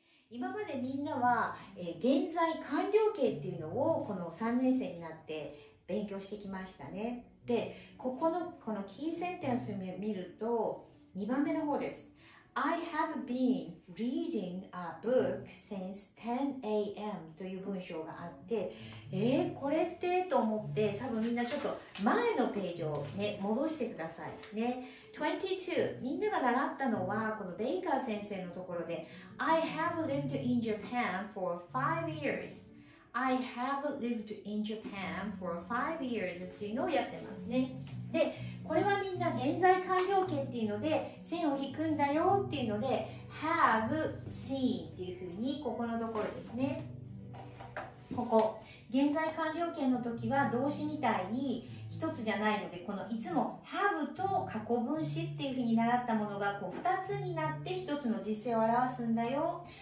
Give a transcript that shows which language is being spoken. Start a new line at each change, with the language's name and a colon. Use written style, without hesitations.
Japanese: 今までみんなは、現在完了形っていうのをこの3年生になって勉強してきましたね。で、ここのこのキーセンテンスを見ると2番目の方です。
English: I have been reading a book since 10 a.m.
Japanese: という文章があって、これってと思って、多分みんなちょっと前のページを、ね、戻してくださいね。 22、みんなが習ったのはこのベイカー先生のところで
English: I have lived in Japan for 5 years。 I have lived in Japan for 5 years
Japanese: っていうのをやってますね。で、これはみんな現在完了形っていうので線を引くんだよっていうので have seen っていうふうに、ここのところですね、ここ現在完了形の時は動詞みたいに一つじゃないので、このいつも have と過去分詞っていうふうに習ったものがこう2つになって一つの実践を表すんだよ。